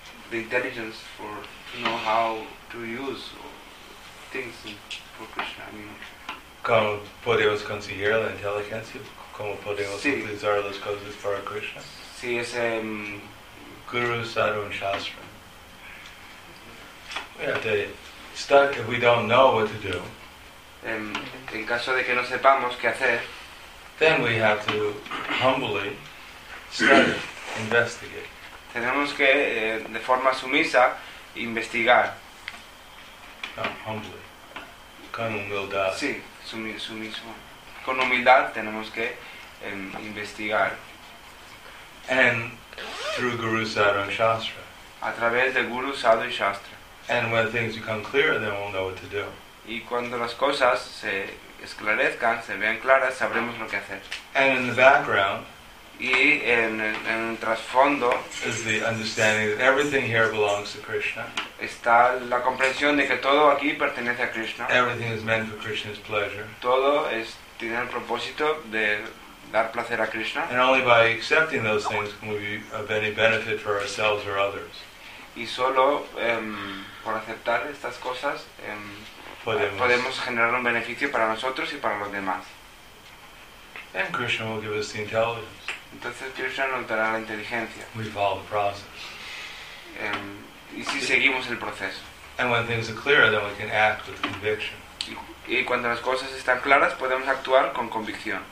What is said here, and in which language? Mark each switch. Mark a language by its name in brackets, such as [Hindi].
[English] The intelligence for to know how to use things for Krishna. I mean, [Spanish] ¿cómo podemos conseguir la inteligencia? ¿Cómo podemos utilizar las cosas para Krishna? Sí, es Guru Sarvam Shastra. [English] Stuck if we don't know what to do. [Spanish] En caso de que no sepamos qué hacer, [English] then we have to humbly study, investigate. [Spanish] Tenemos que de forma sumisa investigar. [English] Humbly. [Spanish] Con humildad. Sí, sumiso. Con humildad tenemos que investigar. [English] And through Guru Sadhu and Shastra. [Spanish] A través de Guru Sadhu y Shastra. [English] And when things become clear, then we'll know what to do. [Spanish] Y cuando las cosas se esclarezcan, se vean claras, sabremos lo que hacer. [English] And in the background, [Spanish] y en el trasfondo, [English] is the understanding that everything here belongs to Krishna. [Spanish] Está la comprensión de que todo aquí pertenece a Krishna. [English] Everything is meant for Krishna's pleasure. [Spanish] Todo es tiene el propósito de dar placer a Krishna. [English] And only by accepting those things can we be of any benefit for ourselves or others. [Spanish] Y solo por aceptar estas cosas podemos generar un beneficio para nosotros y para los demás. [English] And Krishna will give us the intelligence. [Spanish] Entonces Krishna nos dará la inteligencia. [English] We follow the process. [Spanish] Y si seguimos el proceso. [English] And when things are clear, then we can act with conviction. [Spanish] Y cuando las cosas están claras, podemos actuar con convicción.